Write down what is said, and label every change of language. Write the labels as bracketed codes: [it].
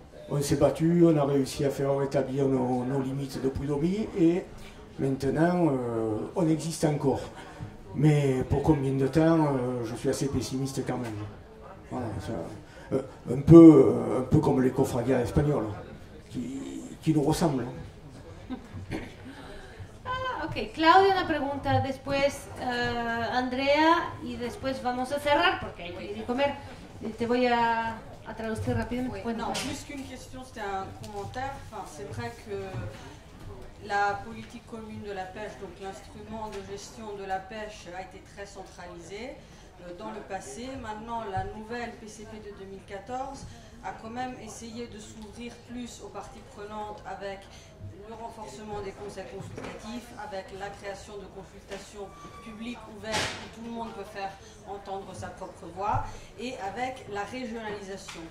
[fr] On s'est battu, on a réussi à faire rétablir nos limites de prud'homie, et maintenant, on existe encore. Mais pour combien de temps, je suis assez pessimiste quand même. Voilà, ça, un peu comme les confrères espagnols. Qui nous ressemble. [es] Ah, ok, Claudia, una pregunta, después Andrea, y después vamos a cerrar porque hay que comer. Te voy a traducir rápidamente. [fr] Oui. Non, plus qu'une question, c'était un commentaire. Enfin, c'est vrai que la politique commune de la pêche, donc l'instrument de gestion de la pêche, a été très centralisé dans le passé. Maintenant, la nouvelle PCP de 2014 a quand même essayé de s'ouvrir plus aux parties prenantes avec le renforcement des conseils consultatifs, avec la création de consultations publiques ouvertes où tout le monde peut faire entendre sa propre voix, et avec la régionalisation.